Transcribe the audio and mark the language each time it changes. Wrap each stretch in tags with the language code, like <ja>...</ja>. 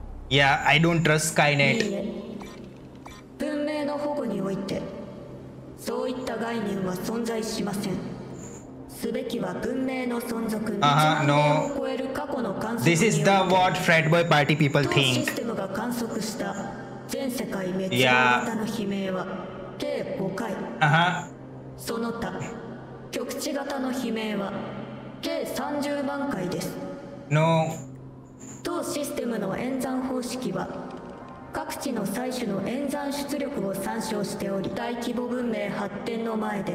<en>Yeah, I don't trust Skynet.</en> <ja>文明の保護においてそういった概念は存在しません。すべきは文明の存続に超える過去の観測。</ja> <en>This is the what frat boy party people think.</en> <ja>当システムが観測した全世界滅亡型の悲鳴は計5回。その他局地型の悲鳴は計30万回です。</ja> <en>No.</en> <ja>当システムの演算方式は各地の採取の演算出力を参照しており、大規模文明発展の前で</ja>